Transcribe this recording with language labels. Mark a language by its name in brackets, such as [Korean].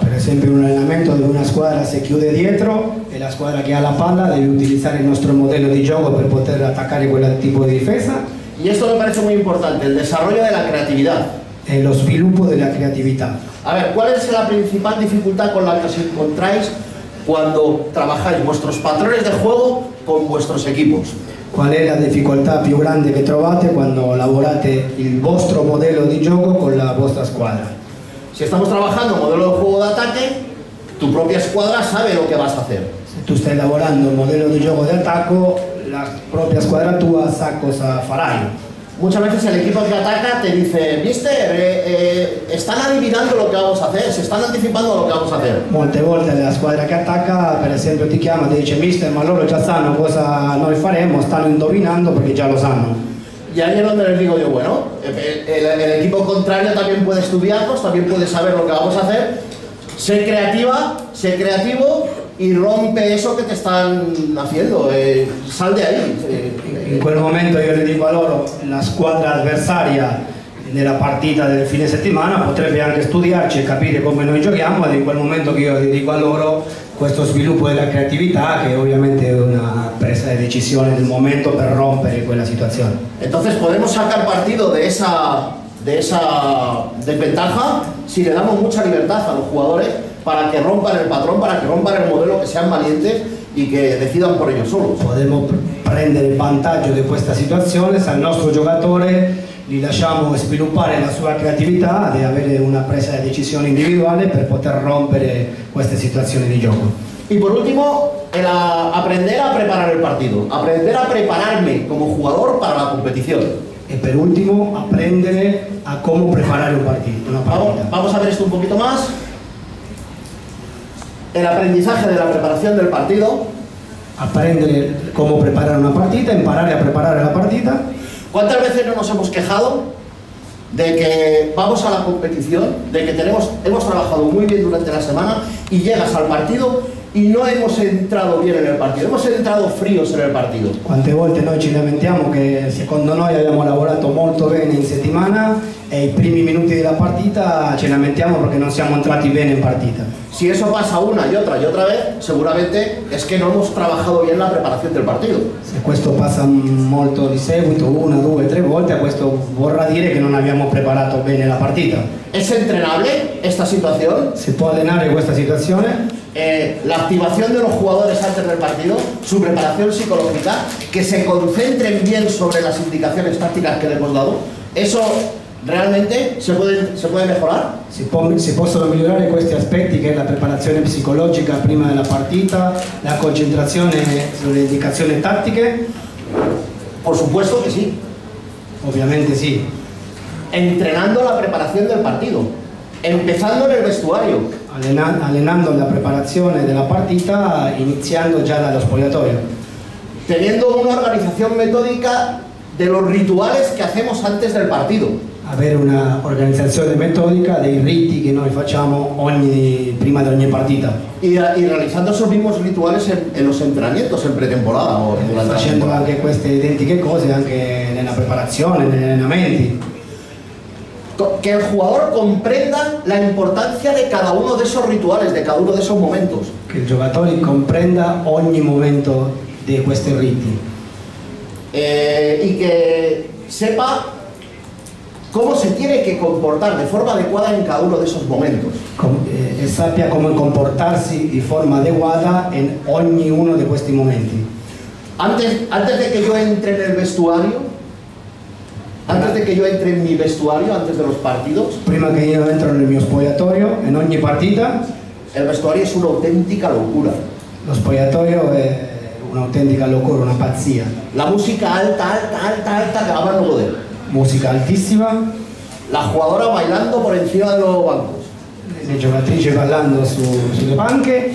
[Spanish] Por ejemplo, un entrenamiento de una squadra [Italian] se chiude dietro [Spanish] y la squadra que ha la palla debe utilizar el nuestro modelo de juego para poder atacar [Italian] quel tipo [Spanish] de defensa. Y esto me parece muy importante, el desarrollo de la creatividad. El sviluppo de la creatividad. A ver, ¿cuál es la principal dificultad con la que os encontráis cuando trabajáis vuestros patrones de juego con vuestros equipos? [Italian] Qual è la difficoltà più grande che trovate quando lavorate il vostro modello di gioco con la vostra squadra? Se stiamo lavorando un modello di gioco d'attacco, tu propria squadra sa lo che [Spanish] vas a [Italian] fare. Se tu stai lavorando un modello di gioco d'attacco, la propria squadra tua sa cosa farai. Molte volte [Spanish] l'equipo che attacca ti dice, mister, están adivinando lo che vamos a hacer, se están anticipando lo che vamos a hacer. [Italian] Molte volte la squadra che attacca, per esempio, ti chiama e dice, mister, ma loro già sanno cosa noi faremo, stanno indovinando perché già lo sanno. [Spanish] Y ahí es donde les digo yo, bueno, el equipo contrario también puede estudiarnos, también puede saber lo que vamos a hacer, sé creativa, sé creativo y rompe eso que te están haciendo, sal de ahí. [Italian] In quel momento io le dico a loro, la squadra avversaria nella partita del fine settimana potrebbe anche studiarci e capire come noi giochiamo, ed in quel momento che io le dico a loro questo sviluppo della creatività, che ovviamente è una presa di decisione del momento per rompere quella situazione. [Spanish] Entonces podemos sacar partido de esa desventaja si le damos mucha libertad a los jugadores para que rompan el patrón, para que rompan el modelo, que sean valientes y que decidan por ellos solos. [Italian] Podemos prendere vantaggio di questa situazione se al nostro giocatore gli lasciamo sviluppare la sua creatività di avere una presa di decisione individuale per poter rompere queste situazioni di gioco. E per ultimo, apprendere a preparare il partito, apprendere a prepararmi come giocatore per la competizione. E per ultimo, apprendere a come preparare un partito, una partita. [Spanish] Vamos a ver esto un poquito más. El aprendizaje de la preparación del partido. [Italian] Aprendere come preparare una partita, imparare a preparare la partita. [Spanish] ¿Cuántas veces no nos hemos quejado de que vamos a la competición, de que hemos trabajado muy bien durante la semana y llegas al partido y no hemos entrado bien en el partido, hemos entrado fríos en el partido? ¿Cuántas veces [Italian] noi ci lamentiamo que, secondo noi, abbiamo lavorato molto bene in settimana e i primi minuti della partita ce la mettiamo perché non siamo entrati bene in partita. [Spanish] Si eso pasa una y otra vez, seguramente es que no hemos trabajado bien la preparación del partido. [Italian] Se questo pasa molto di seguito, una, due, tre volte, questo vorrà dire che non abbiamo preparato bene la partita. [Spanish] ¿Es entrenable esta situación? [Italian] Se può allenare questa situazione? [Spanish] La activación de los jugadores antes del partido, su preparación psicológica, que se concentren bien sobre las indicaciones tácticas que le hemos dado, ¿eso realmente se puede mejorar? [Italian] Si possono migliorare questi aspetti, che è la preparazione psicologica prima della partita, la concentrazione sulle indicazioni tattiche? [Spanish] Por supuesto que sí. [Italian] Obviamente sí. [Spanish] Entrenando la preparación del partido, empezando nel vestuario. [Italian] Allenando la preparazione della partita, iniziando già dallo spogliatoio. [Spanish] Teniendo una organización metódica de los rituales que hacemos antes del partido. [Italian] Avere una organizzazione metodica dei riti che noi facciamo prima di ogni partita. [Spanish] E realizzando esos mismos rituales en los entrenamientos en pretemporada. [Italian] Facendo anche queste identiche cose anche nella preparazione, negli allenamenti. [Spanish] Que el jugador comprenda la importancia de cada uno de esos rituales, de cada uno de esos momentos. Que el jugador comprenda [Italian] ogni momento [Spanish] de [Italian] questi riti. [Spanish] Y que sepa cómo se tiene que comportar de forma adecuada en cada uno de esos momentos. Sappia cómo comportarse de forma adecuada en ogni uno de estos momentos. Antes de que yo entre en el vestuario, antes de que yo entre en mi vestuario, antes de los partidos. Prima que yo entre en mi spogliatoio, en ogni partita. El vestuario es una auténtica locura. [Italian] Lo spogliatoio è un'autentica locura, una pazzia. [Spanish] La música alta, alta, alta, alta, que va a no poder. Música altísima. La jugadora bailando por encima de los bancos. [Italian] Le giocatrici ballando sulle panche.